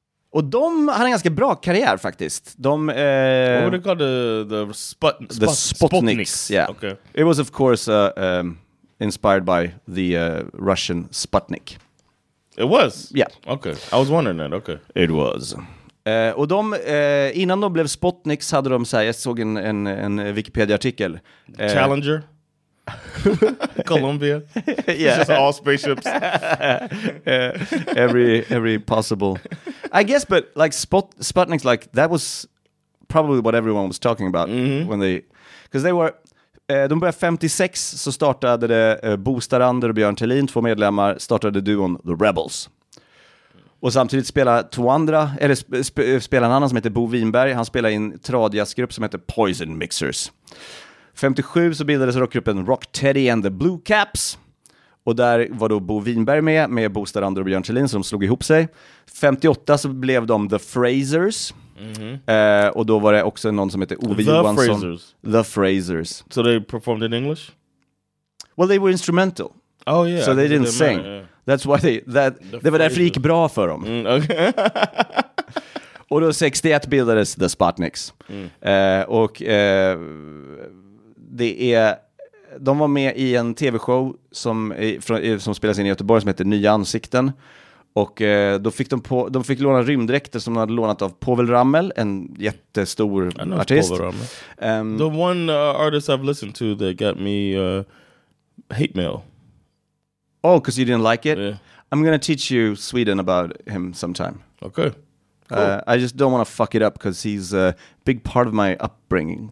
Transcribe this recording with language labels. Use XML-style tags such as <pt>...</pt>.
<sv>Och de hade en ganska bra karriär faktiskt. De</sv> <en>what do you call the Spotniks. Yeah. Okay. It was of course inspired by the Russian Sputnik. It was. Yeah. Okay. I was wondering that. Okay. It was.</en> <sv>Och de, innan de blev Spotniks hade de så här, jag såg en Wikipedia-artikel.</sv> <en>Challenger? Columbia? Yeah. It's just all spaceships. every possible. I guess, but like Spotniks, like that was probably what everyone was talking about. Mm-hmm. When they, because they were,</en> <sv>De började 56, så startade det Bo Starander och Björn Thelin, två medlemmar, startade duon The Rebels. Och samtidigt spelade två andra, eller spelade en annan som heter Bo Winberg. Han spelade i en tradjazzgrupp som heter Poison Mixers. 57 så bildades rockgruppen Rock Teddy and the Blue Caps. Och där var då Bo Winberg med Bo Starander och Björn Thelin, som slog ihop sig. 58 så blev de The Frasers. Mm-hmm. Och då var det också någon som heter Ove Johansson.</sv> <en>The Frasers. The Frasers. So they performed in English? Well, they were instrumental. Oh yeah. So they didn't sing. That's why they, that,</en> <sv>det var därför det gick bra för dem.</sv> <en>Mm, okay.</en> <sv>Och då 61 bildades The Sputniks. Mm. Och det är, de var med i en tv-show som spelas in i Göteborg som heter Nya Ansikten. Och då fick de fick låna rymddräkter som de hade lånat av Povel Ramel, en jättestor artist.</sv> <en>The one artist I've listened to that got me hate mail. Oh, because you didn't like it? Yeah. I'm going to teach you Sweden about him sometime. Okay. Cool. I just don't want to fuck it up because he's a big part of my upbringing.</en>